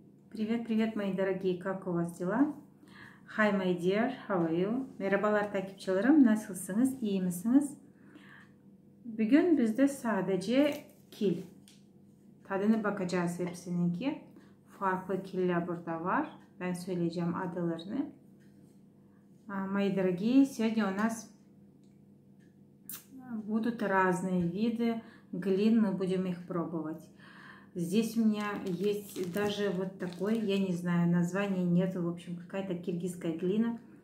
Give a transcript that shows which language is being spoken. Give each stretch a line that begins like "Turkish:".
Russian: Привет, привет, мои дорогие, как у вас дела?
English: Hi, my dear, how are you?
Turkish: Merhabalar takipçilerim, nasılsınız, iyi misiniz? Bugün bizde sadece kil. Tadını bakacağız hepsinin ki. Farklı killer burada var. Ben söyleyeceğim adalarını.
Russian: Мои дорогие, сегодня у нас будут разные виды глин, мы будем их пробовать. Здесь у меня есть даже вот такой, я не знаю, названия нет, в общем, какая-то киргизская глина.